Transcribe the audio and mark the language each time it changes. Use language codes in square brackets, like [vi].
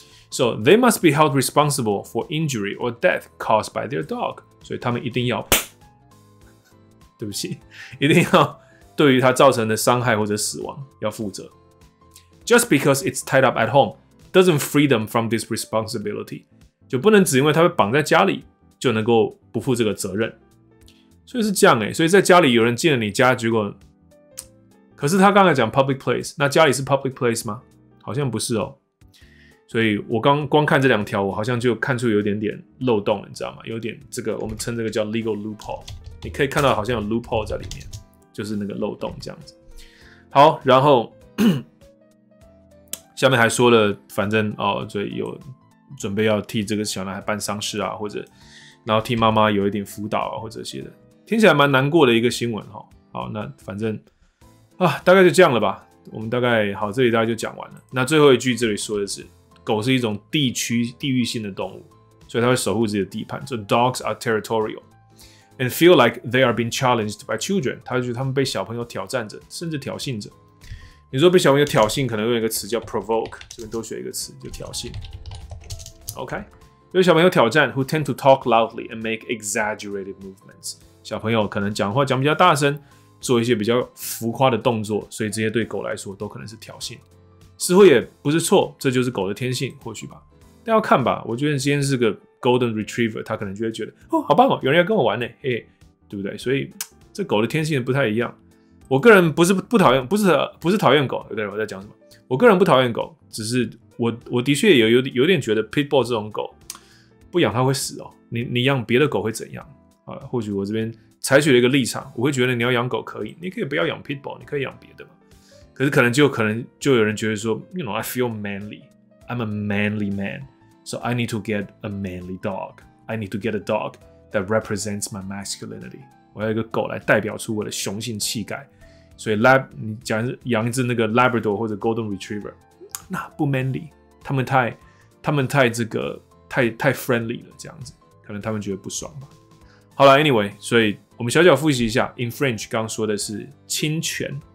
[en] So they must be held responsible for injury or death caused by their dog。 [zh] 所以他们一定要，对不起，一定要对于他造成的伤害或者死亡要负责。 [en] Just because it's tied up at home doesn't free them from this responsibility。 [zh] 就不能只因为他被绑在家里就能够不负这个责任。所以是这样欸，所以在家里有人进了你家，结果，可是他刚才讲 public place， 那家里是 public place 吗？好像不是哦。所以我刚光看这两条，我好像就看出有点点漏洞，你知道吗？有点这个，我们称这个叫 legal loophole。你可以看到好像有 loophole 在里面，就是那个漏洞这样子。好，然后下面还说了，反正哦，所以有准备要替这个小男孩办丧事啊，或者然后替妈妈有一点辅导啊，或者这些的，听起来蛮难过的一个新闻哈。好，那反正啊，大概就这样了吧。我们大概好，这里大概就讲完了。那最后一句这里说的是。狗是一种地域性的动物，所以它会守护自己的地盘。 [en] So dogs are territorial and feel like they are being challenged by children。 [zh] 他觉得他们被小朋友挑战着，甚至挑衅着。你说被小朋友挑衅，可能用一个词叫 provoke， 这边多学一个词就挑衅。 [en] OK， [zh] 有小朋友挑战 [en] ，who tend to talk loudly and make exaggerated movements。 [zh] 小朋友可能讲话讲比较大声，做一些比较浮夸的动作，所以这些对狗来说都可能是挑衅。似乎也不是错，这就是狗的天性，或许吧。但要看吧，我觉得今天是个 golden retriever， 他可能就会觉得哦，好棒哦，有人要跟我玩呢，嘿，对不对？所以这狗的天性不太一样。我个人不是讨厌狗，有的人我在讲什么？我个人不讨厌狗，只是我的确有点觉得 pitbull 这种狗不养它会死哦。你养别的狗会怎样啊？或许我这边采取了一个立场，我会觉得你要养狗可以，你可以不要养 pitbull， 你可以养别的嘛。可是可能就有人觉得说 ， [en] You know, I feel manly. I'm a manly man, so I need to get a manly dog. I need to get a dog that represents my masculinity. [zh] 我要一个狗来代表出我的雄性气概。所以你讲养一只那个 Labrador 或者 Golden Retriever， 那不 manly， 他们太 friendly 了，这样子，可能他们觉得不爽吧。好了 ，Anyway， 所以我们小小复习一下 ， [en] In French， [zh] 刚刚说的是侵权。